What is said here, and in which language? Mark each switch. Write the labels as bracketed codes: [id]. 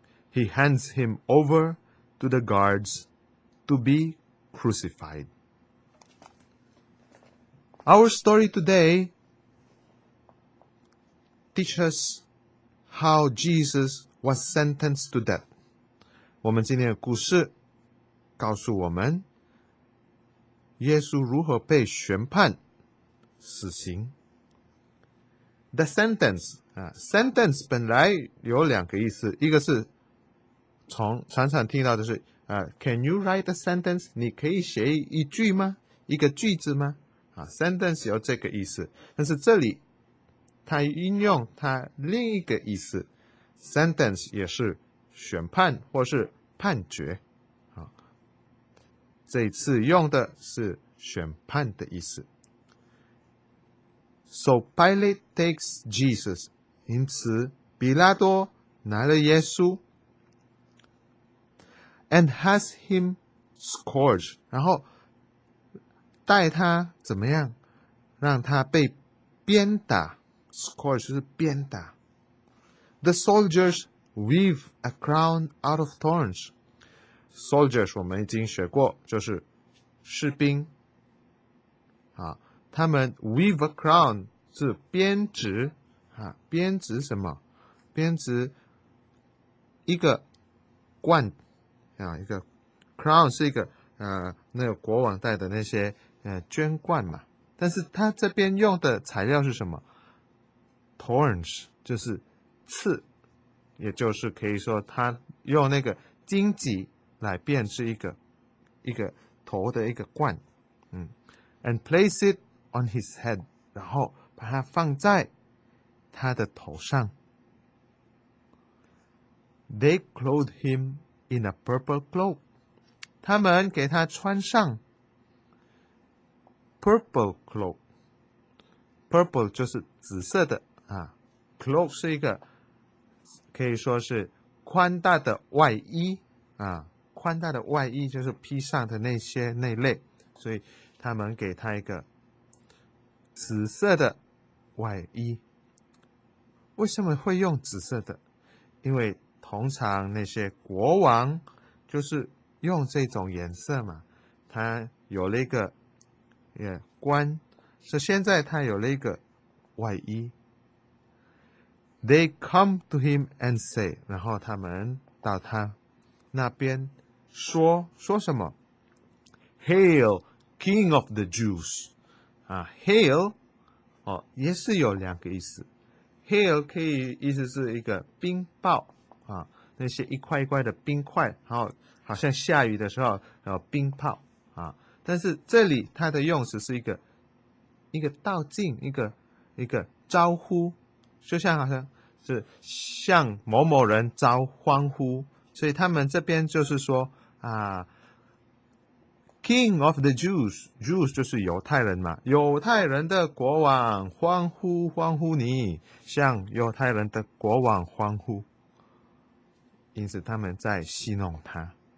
[en] He hands him over to the guards to be crucified. Our story today teaches how Jesus was sentenced to death. [zh] 我们今天的故事告诉我们耶稣如何被宣判死刑。 [en] The sentence, sentence [zh] 本来有两个意思，一个是从常常听到的是 [en] Can you write a sentence? [zh] 你可以写一句吗？一个句子吗？sentence 有这个意思，但是这里他运用他另一个意思 sentence 也是宣判或是判决，这一次用的是宣判的意思。 [en] So Pilate takes Jesus， [zh] 因此比拉多拿了耶稣 [en] and has him scourged， [zh] 然后带他怎么样让他被鞭打，Scourge 就是鞭打。 [en] The soldiers weave a crown out of thorns. [zh] Soldiers 我们已经学过，就是士兵。他们 [en] weave a crown [zh] 是编织，编织什么？编织一个冠，一个 crown 是一个那个国王戴的那些绢冠嘛。但是他这边用的材料是什么？Thorns 就是刺，也就是可以说他用那个荆棘来编织一个头的一个冠， [en] and place it on his head， [zh] 然后把它放在他的头上。 [en] They clothe him in a purple cloak， [zh] 他们给他穿上 [en] purple cloak， [zh] purple 就是紫色的。 Cloak 是一个可以说是宽大的外衣，宽大的外衣就是披上的那些那类，所以他们给他一个紫色的外衣。为什么会用紫色的？因为通常那些国王就是用这种颜色嘛，他有了一个冠，所以现在他有了一个外衣。 [en] They come to him and say， [zh] 然后他们到他那边说，说什么？ [en] Hail, King of the Jews。 [zh] Hail 也是有两个意思。Hail 可以意思是一个冰雹，那些一块一块的冰块，然后好像下雨的时候有冰雹，但是这里它的用词是一个道敬，一个招呼，就像好像是向某某人招欢呼，所以他们这边就是说啊 ， [en] King of the Jews [zh] 就是犹太人嘛，犹太人的国王欢呼欢呼你，向犹太人的国王欢呼，因此他们在戏弄他。